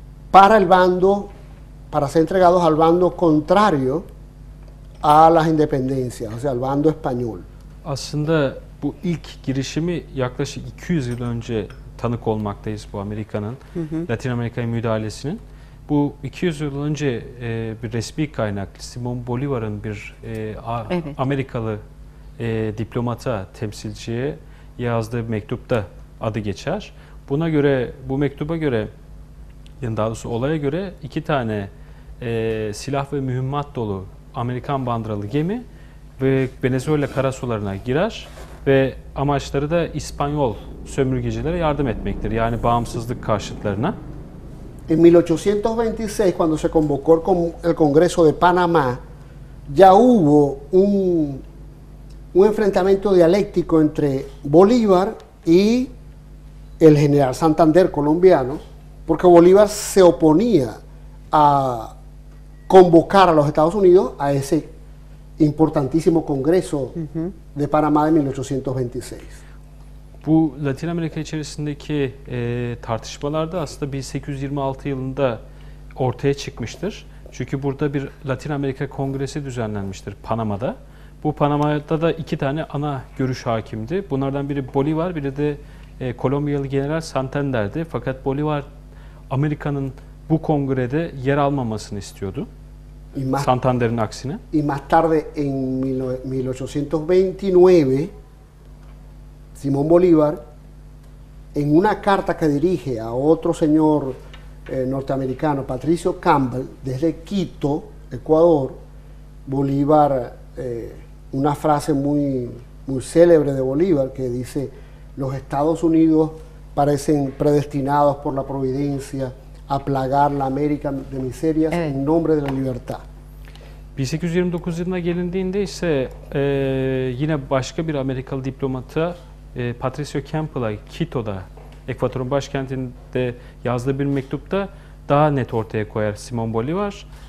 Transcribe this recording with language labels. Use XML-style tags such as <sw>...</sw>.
<es>para ser entregados al bando contrario a las independencias, o sea, al bando español.</es> <tr>Aslında bu ilk girişimi yaklaşık 200 yıl önce tanık olmaktayız bu Amerika'nın, Latin Amerika'ya müdahalesinin. Bu 200 yıl önce bir resmi kaynak, Simon Bolivar'ın bir Amerikalı diplomata, temsilciye yazdığı mektupta adı geçer. Buna göre, bu mektuba göre, yani daha doğrusu olaya göre, iki tane silah ve mühimmat dolu Amerikan bandıralı gemi ve Venezuela karasularına girer ve amaçları da İspanyol sömürgecilere yardım etmektir. Yani bağımsızlık karşıtlarına.</tr> <es>En 1826, cuando se convocó el Congreso de Panamá, ya hubo un enfrentamiento dialéctico entre Bolívar y el general Santander colombiano, porque Bolívar se oponía a convocar a los Estados Unidos a ese importantísimo Congreso de Panamá de 1826.</es> <tr>Bu Latin Amerika içerisindeki tartışmalarda aslında 1826 yılında ortaya çıkmıştır. Çünkü burada bir Latin Amerika Kongresi düzenlenmiştir Panama'da. Bu Panama'da da iki tane ana görüş hakimdi. Bunlardan biri Bolivar, biri de Kolombiyalı General Santander'di. Fakat Bolivar Amerika'nın bu kongrede yer almamasını istiyordu. Santander'in aksine.</tr> <es>Y más tarde en 1829 Simón Bolívar, en una carta que dirige a otro señor norteamericano, Patricio Campbell, desde Quito, Ecuador, Bolívar, una frase muy, muy célebre de Bolívar que dice, los Estados Unidos parecen predestinados por la providencia a plagar la América de miserias en nombre de la libertad.</es> <tr>1829 yılına gelindiğinde ise yine başka bir Amerikalı diplomata, Patricio Campbell'a Quito'da, Ekvador'un başkentinde yazdığı bir mektupta daha net ortaya koyar Simón Bolívar.</tr>